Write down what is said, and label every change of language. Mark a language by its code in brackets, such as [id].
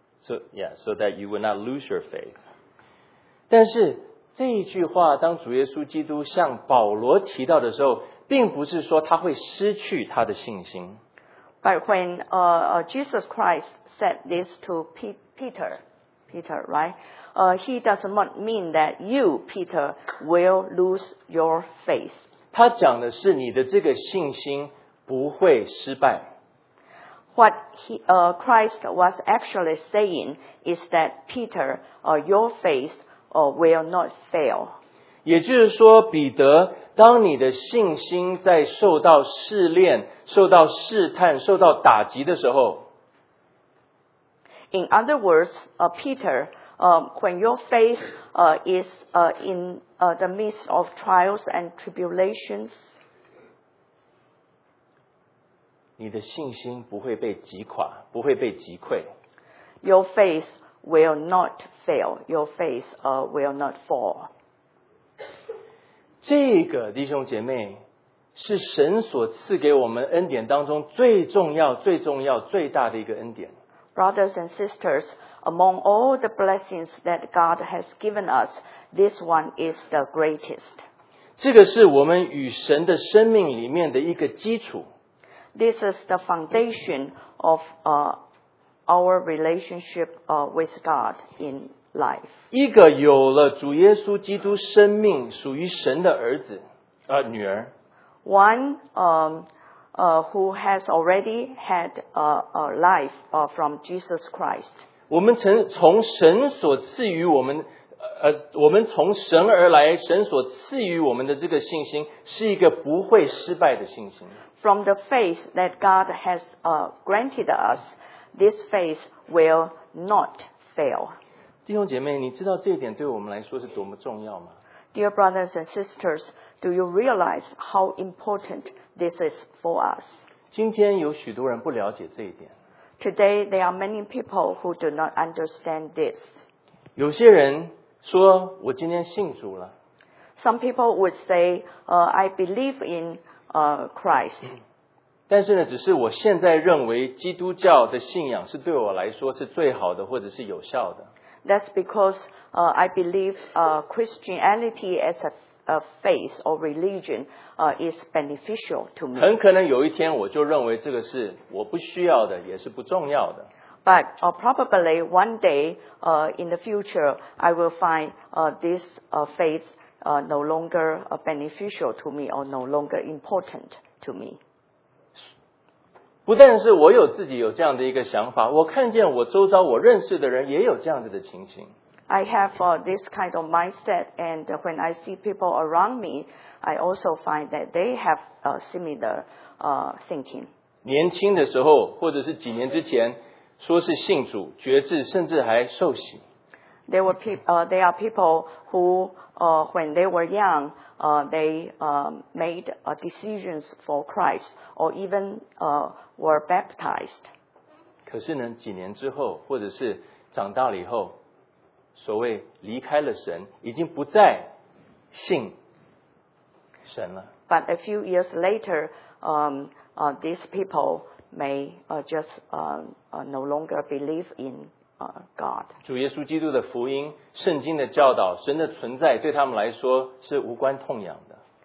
[en] So that you would not lose your faith. [zh] 但是这一句话当主耶稣基督向保罗提到的时候，并不是说他会失去他的信心。 [en] But when Jesus Christ said this to Peter, right? He does not mean that you, Peter, will lose your faith. [zh] 他讲的是你的这个信心不会失败。 [en] What Christ was actually saying is that Peter, your faith, will not fail. [zh] 也就是说，彼得，当你的信心在受到试炼、受到试探、受到打击的时候。 [en] In other words, Peter, when your faith is in the midst of trials and tribulations, [zh] 你的信心不会被击垮，不会被击溃。 [en] Your faith will not fail. Your faith will not fall. [zh] 这个弟兄姐妹是神所赐给我们恩典当中最重要、最重要、最大的一个恩典。 [en] Brothers and sisters, among all the blessings that God has given us, this one is the greatest. [zh] 这个是我们与神的生命里面的一个基础。 [en] This is the foundation of our relationship with God in life. [zh] 一个有了主耶稣基督生命属于神的儿子女儿。 [en] One, who has already had a life from Jesus Christ. [zh] 我们从神所赐予我们我们从神而来，神所赐予我们的这个信心是一个不会失败的信心。 [en] From the faith that God has granted us, this faith will not fail. [zh] 弟兄姐妹，你知道这一点对我们来说是多么重要吗？ [en] Dear brothers and sisters, do you realize how important this is for us? [zh] 今天有许多人不了解这一点。 [en] Today, there are many people who do not understand this. [zh] 有些人说我今天信主了。 [en] Some people would say, I believe in Christ. [zh] 但是呢，只是我现在认为基督教的信仰是对我来说是最好的或者是有效的。 [en] That's because I believe Christianity as a faith or religion is beneficial to me. [zh] 很可能有一天我就认为这个是我不需要的，也是不重要的。 [en] But probably one day in the future, I will find this faith no longer beneficial to me or no longer important to me. [zh] 不但是我有自己有这样的一个想法，我看见我周遭我认识的人也有这样子的情形。 [en] I have this kind of mindset, and when I see people around me, I also find that they have similar thinking. [zh] 年轻的时候，或者是几年之前说是信主、决志，甚至还受洗。 [en] There are people who, when they were young, they made decisions for Christ, or even were baptized. [zh] 可是呢，几年之后，或者是长大了以后，所谓离开了神，已经不再信神了。 [en] But a few years later, these people may no longer believe in God. [zh] 主耶稣基督的福音，圣经的教导，神的存在，对他们来说是无关痛痒的。